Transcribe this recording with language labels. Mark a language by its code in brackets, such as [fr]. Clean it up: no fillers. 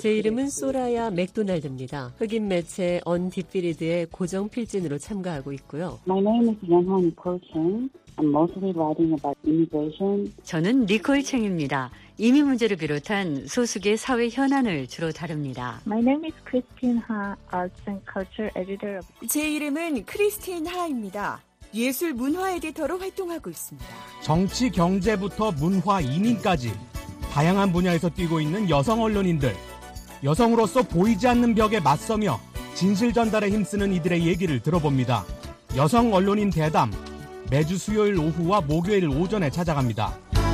[ko] 제 이름은 소라야 맥도날드입니다. 흑인 매체 언디피리드의 고정 필진으로 참가하고 있고요. [en] My name is Yanhan Nicole-Cheng. I'm mostly writing about immigration. [ko] 저는 니콜 챙입니다. 이민 문제를 비롯한 소수계 사회 현안을 주로 다룹니다. [en] My name is Christine Ha, Arts and Culture Editor. [ko] 제 이름은 크리스틴 하입니다. 예술 문화 에디터로 활동하고 있습니다. 정치, 경제부터 문화, 이민까지 다양한 분야에서 뛰고 있는 여성 언론인들. 여성으로서 보이지 않는 벽에 맞서며 진실 전달에 힘쓰는 이들의 얘기를 들어봅니다. 여성 언론인 대담, 매주 수요일 오후와 목요일 오전에 찾아갑니다.